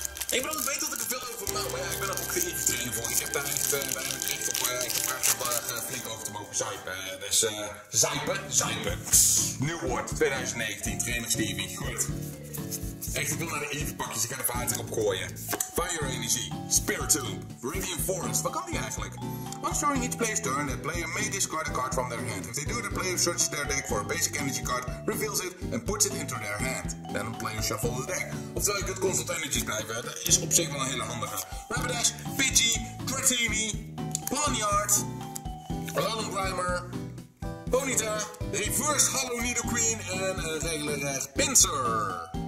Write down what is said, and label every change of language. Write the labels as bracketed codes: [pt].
[nl] Ik bedoel, ik weet dat ik er veel over mag. Maar ja, ik ben er ook geen invitering voor. Ik heb daar niet bij mijn kreeg op gevraagd om daar flink over te mogen zuipen. Dus zuipen. Nieuw woord, 2019, trainer Stevie. Goed. Echt, ik wil naar de EV-pakjes, ik ga er water op gooien. Fire Energy, Spiritomb, Viridian Forest. Wat kan die eigenlijk? [en] Once during each player's turn, the player may discard a card from their hand. If they do, the player searches their deck for a basic energy card, reveals it and puts it into their hand. Then the player shuffles the deck. [nl] Oftewel, je kunt constant energies blijven, dat is op zich wel een hele handige. Rapidash, Pidgey, Dratini, Ponyard, Alolan Grimer, Ponyta, Reverse Hollow Nidoqueen en een regelrecht Pinsir.